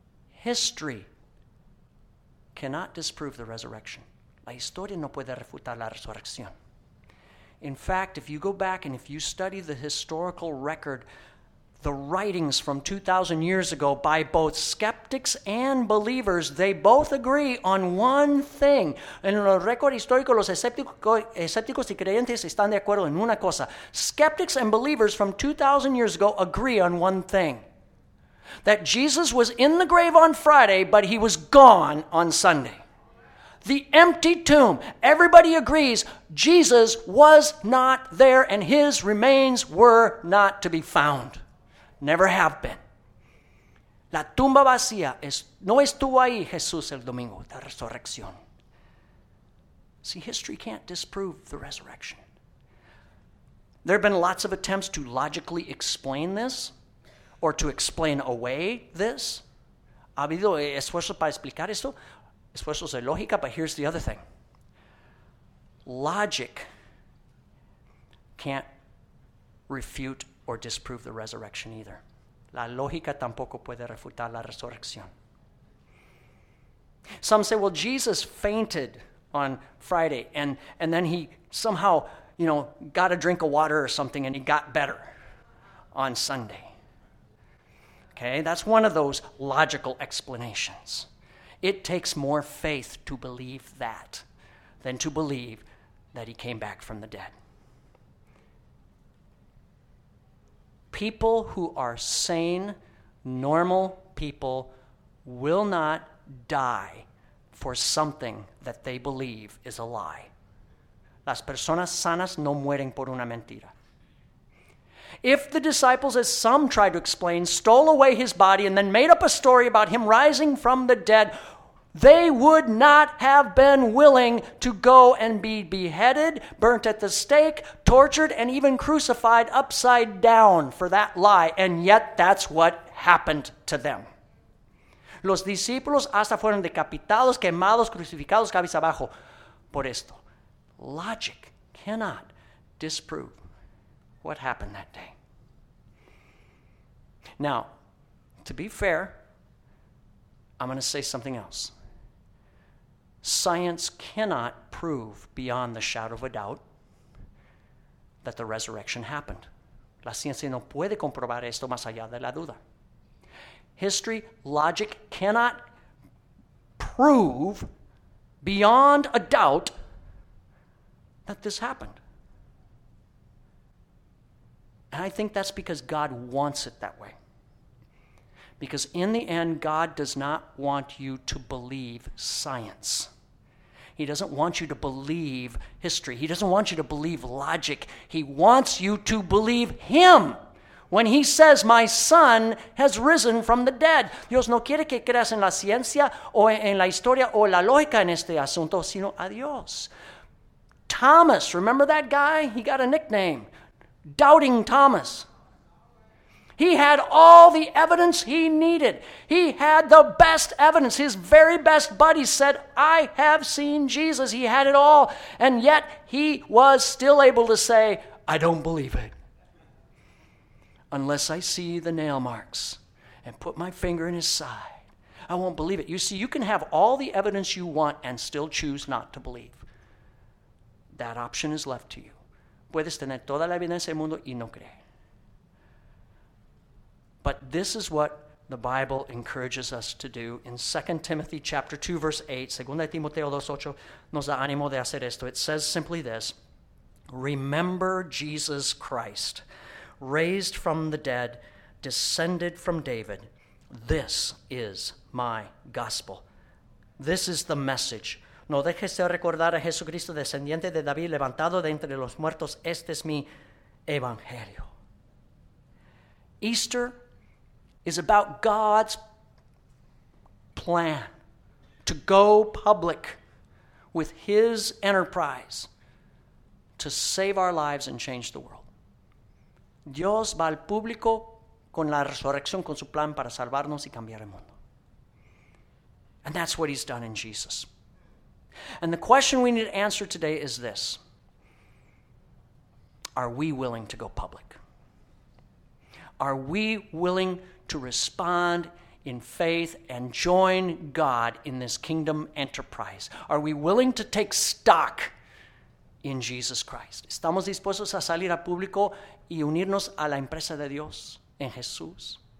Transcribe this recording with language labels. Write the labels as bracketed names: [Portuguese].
[English] History cannot disprove the resurrection. [Spanish] La historia no puede refutar la resurrección. [English] In fact, if you go back and if you study the historical record, the writings from 2,000 years ago by both skeptics and believers, they both agree on one thing. [Spanish] En el récord histórico, los escépticos y creyentes están de acuerdo en una cosa. [English] Skeptics and believers from 2,000 years ago agree on one thing. That Jesus was in the grave on Friday, but he was gone on Sunday. The empty tomb. Everybody agrees Jesus was not there and his remains were not to be found. Never have been. [Spanish] La tumba vacía no estuvo ahí Jesús el domingo de resurrección. [English] See, history can't disprove the resurrection. There have been lots of attempts to logically explain this or to explain away this. [Spanish] Ha habido esfuerzos para explicar esto. Esfuerzos de lógica, [English] but here's the other thing. Logic can't refute or disprove the resurrection either. [Spanish] La lógica tampoco puede refutar la resurrección. [English] Some say, well, Jesus fainted on Friday and then he somehow, you know, got a drink of water or something and he got better on Sunday. Okay, that's one of those logical explanations. It takes more faith to believe that than to believe that he came back from the dead. People who are sane, normal people will not die for something that they believe is a lie. [Spanish] Las personas sanas no mueren por una mentira. [English] If the disciples, as some tried to explain, stole away his body and then made up a story about him rising from the dead, they would not have been willing to go and be beheaded, burnt at the stake, tortured, and even crucified upside down for that lie. And yet that's what happened to them. [Spanish] Los discípulos hasta fueron decapitados, quemados, crucificados, cabeza abajo por esto. [English] Logic cannot disprove what happened that day. Now, to be fair, I'm going to say something else. Science cannot prove beyond the shadow of a doubt that the resurrection happened. [Spanish] La ciencia no puede comprobar esto más allá de la duda. [English] History, logic cannot prove beyond a doubt that this happened. And I think that's because God wants it that way. Because in the end, God does not want you to believe science. He doesn't want you to believe history. He doesn't want you to believe logic. He wants you to believe him. When he says, my son has risen from the dead. [Spanish] Dios no quiere que creas en la ciencia o en la historia o la lógica en este asunto, sino a Dios. [English] Thomas, remember that guy? He got a nickname. Doubting Thomas. He had all the evidence he needed. He had the best evidence. His very best buddy said, I have seen Jesus. He had it all. And yet he was still able to say, I don't believe it. Unless I see the nail marks and put my finger in his side, I won't believe it. You see, you can have all the evidence you want and still choose not to believe. That option is left to you. [Spanish] Puedes tener toda la evidencia del mundo y no creer. [English] But this is what the Bible encourages us to do. In 2 Timothy chapter 2, verse 8, [Spanish] 2 Timoteo 2, 8, nos da ánimo de hacer esto. [English] It says simply this, remember Jesus Christ, raised from the dead, descended from David. This is my gospel. This is the message. [Spanish] No dejes de recordar a Jesucristo, descendiente de David, levantado de entre los muertos. Este es mi evangelio. [English] Easter is about God's plan to go public with his enterprise to save our lives and change the world. [Spanish] Dios va al público con la resurrección, con su plan para salvarnos y cambiar el mundo. [English] And that's what he's done in Jesus. And the question we need to answer today is this. Are we willing to go public? Are we willing to respond in faith and join God in this kingdom enterprise? Are we willing to take stock in Jesus Christ? [Spanish] ¿Estamos dispuestos a salir al público y unirnos a la empresa de Dios en Jesús?